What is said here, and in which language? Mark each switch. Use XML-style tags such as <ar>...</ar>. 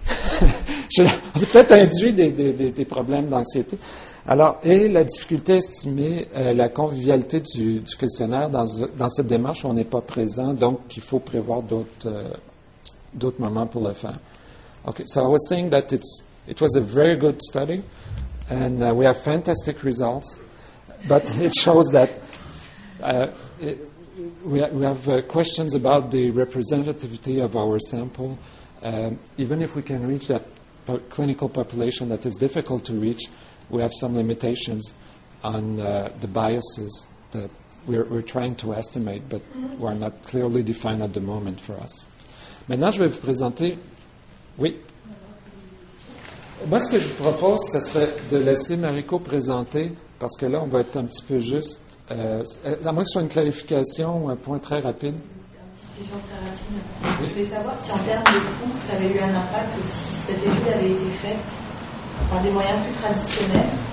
<fr>On a peut-être induit des problèmes d'anxiété. Alors, et la difficulté à estimer la convivialité du questionnaire dans cette démarche où on n'est pas présent, donc il faut prévoir d'autres moments pour le faire.</fr> <en>Okay, so I was saying that it was a very good study, and we have fantastic results, but it shows that we have questions about the representativity of our sample. Even if we can reach that clinical population that is difficult to reach, we have some limitations on the biases that we're trying to estimate, but were not clearly defined at the moment for us.</en> <fr>Maintenant, je vais vous présenter. Oui. Moi, ce que je vous propose, ce serait de laisser Mariko présenter, parce que là, on va être un petit peu juste. À moins que ce soit une clarification ou un point très rapide. Je voulais savoir si en termes de coût, ça avait eu un impact ou si cette étude avait été faite par des moyens plus traditionnels.</fr>